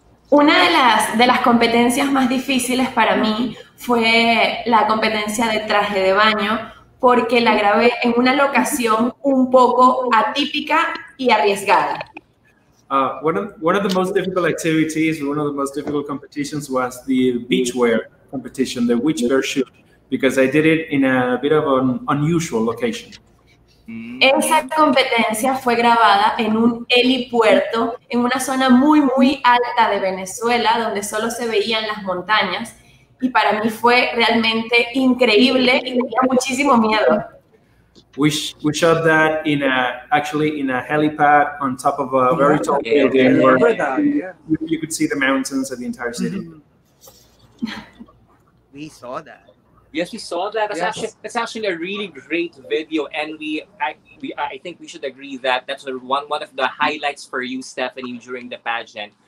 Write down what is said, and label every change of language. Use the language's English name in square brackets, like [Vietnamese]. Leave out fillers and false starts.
[Spanish] Una de las competencias más difíciles para mí fue la competencia de traje de baño porque la grabé en una locación un poco atípica y arriesgada. [English] One of the most difficult activities, one of the most difficult competitions was the beachwear competition, the beachwear shoot, because I did it in a bit of an unusual location. [Spanish] Esa competencia fue grabada en un helipuerto, en una zona muy, muy alta de Venezuela, donde solo se veían las montañas. Y para mí fue realmente increíble y tenía muchísimo miedo. [English] We shot that in a helipad on top of a very tall building where you could see the mountains of the entire city. We saw that. Yes, we saw that. That's actually a really great video, and I think we should agree that that's one of the highlights for you, Stephanie, during the pageant.